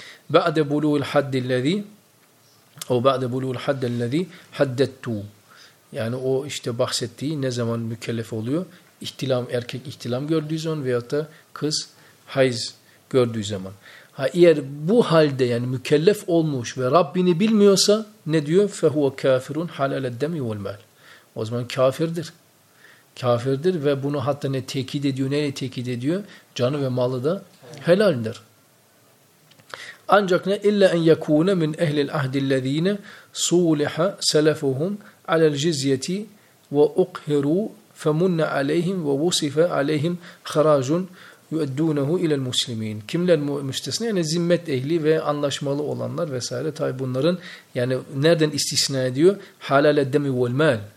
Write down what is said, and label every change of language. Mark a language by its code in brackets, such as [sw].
[ar] Ba'de bulu'l haddillezi o ba'de bulu'l haddillezi haddettu. [tr] Yani o işte bahsettiği ne zaman mükellef oluyor? İhtilam, erkek ihtilam gördüğü zaman veyahut da kız hayz gördüğü zaman. Ha eğer bu halde yani mükellef olmuş ve Rabbini bilmiyorsa ne diyor? [ar] فَهُوَ كَافِرٌ حَلَالَ الدَّمِ وَالْمَالِ [tr] O zaman kafirdir. Kafirdir ve bunu hatta ne tekit ediyor, neyle tekit ediyor? Canı ve malı da helaldir. Ancak ne? [ar] اِلَّا اَنْ يَكُونَ مِنْ اَهْلِ الْاَهْدِ الَّذ۪ينَ صُولِحَ سَلَفُهُمْ عَلَى الْجِزْيَةِ وَاُقْهِرُوا فَمُنَّ عَلَيْهِمْ وَوُصِفَ عَلَيْهِمْ خَرَاجٌ يؤدونه الى المسلمين [tr] kimler müstesna yani zimmet ehli ve anlaşmalı olanlar vesaire tabi bunların yani nereden istisna ediyor halal eddemi vel mal